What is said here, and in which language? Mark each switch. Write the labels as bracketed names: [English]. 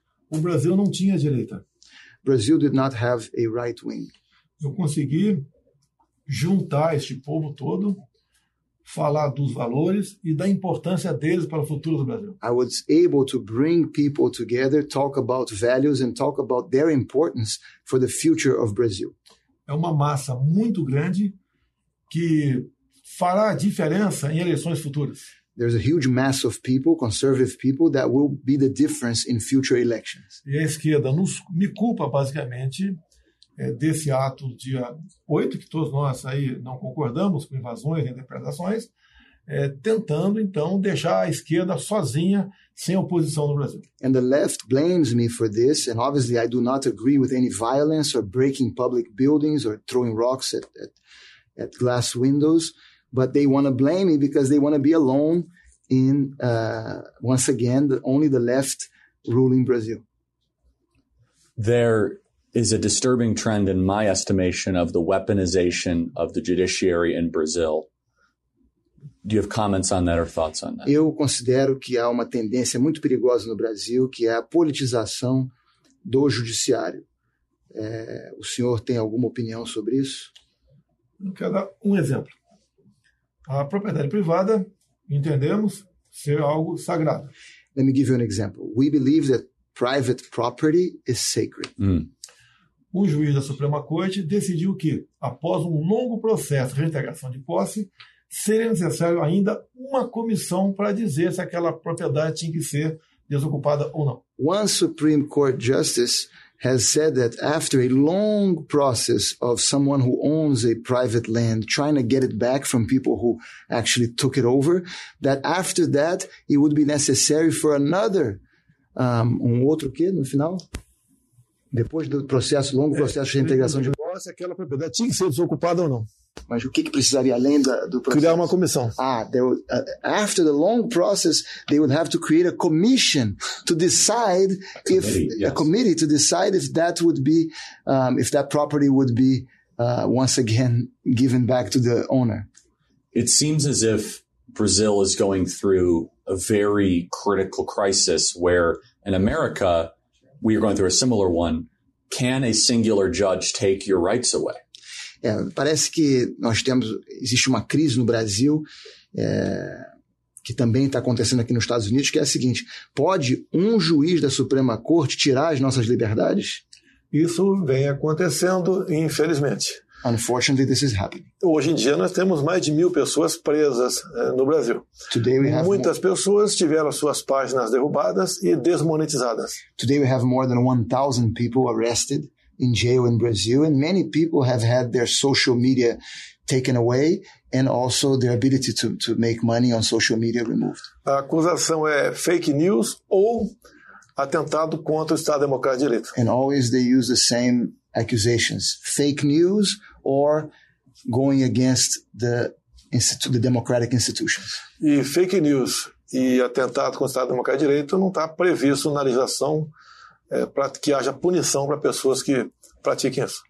[Portuguese] O Brasil não tinha direita. [English] Brazil did not have a right wing. [Portuguese] Eu consegui juntar este povo todo, falar dos valores e da importância deles para o futuro do Brasil. [English] I was able to bring people together, talk about values and talk about their importance for the future of Brazil. [Portuguese] É uma massa muito grande que fará a diferença em eleições futuras. [English] There's a huge mass of people, conservative people, that will be the difference in future elections. [Portuguese] E a esquerda me culpa, basicamente, desse ato dia 8, que todos nós aí não concordamos com invasões e depredações, tentando, então, deixar a esquerda sozinha, sem oposição no Brasil. [English] And the left blames me for this, and obviously I do not agree with any violence or breaking public buildings or throwing rocks at glass windows. But they want to blame me because they want to be alone in, once again, only the left ruling Brazil. There is a disturbing trend, in my estimation, of the weaponization of the judiciary in Brazil. Do you have comments on that or thoughts on that? [Portuguese] Eu considero que há uma tendência muito perigosa no Brasil, que é a politização do judiciário. O senhor tem alguma opinião sobre isso? Eu quero dar um exemplo. A propriedade privada, entendemos, ser algo sagrado. [English] Let me give you an example. We believe that private property is sacred. [Portuguese] Um juiz da Suprema Corte decidiu que, após um longo processo de reintegração de posse, seria necessário ainda uma comissão para dizer se aquela propriedade tinha que ser desocupada ou não. [English] One Supreme Court justice has said that after a long process of someone who owns a private land trying to get it back from people who actually took it over, that after that, it would be necessary for another, [Portuguese] outro quê no final? Depois do processo, longo processo de reintegração de posse, aquela propriedade tinha que ser desocupada ou não? Mas o que, que precisaria além da, do processo? Criar uma comissão. [English] Ah, they would, after the long process, they would have to create a commission to decide if committee, yes. A committee to decide if that would be, if that property would be once again given back to the owner. It seems as if Brazil is going through a very critical crisis where in America, we are going through a similar one. Can a singular judge take your rights away? [Portuguese] É, parece que nós temos, existe uma crise no Brasil, que também está acontecendo aqui nos Estados Unidos, que é a seguinte: pode um juiz da Suprema Corte tirar as nossas liberdades? Isso vem acontecendo, infelizmente. [English] Unfortunately, this is happening. [Portuguese] Hoje em dia nós temos mais de 1,000 pessoas presas no Brasil. [English] Today we have [Portuguese] muitas pessoas tiveram suas páginas derrubadas e desmonetizadas. [English] Today we have more than 1,000 people arrested in jail in Brazil, and many people have had their social media taken away and also their ability to make money on social media removed. [Portuguese] A acusação é fake news ou atentado contra o Estado Democrático de Direito. [English] And always they use the same accusations, fake news or going against the democratic institutions. [Portuguese] E fake news e atentado contra o Estado Democrático de Direito não está previsto na legislação para que haja punição para pessoas que pratiquem isso.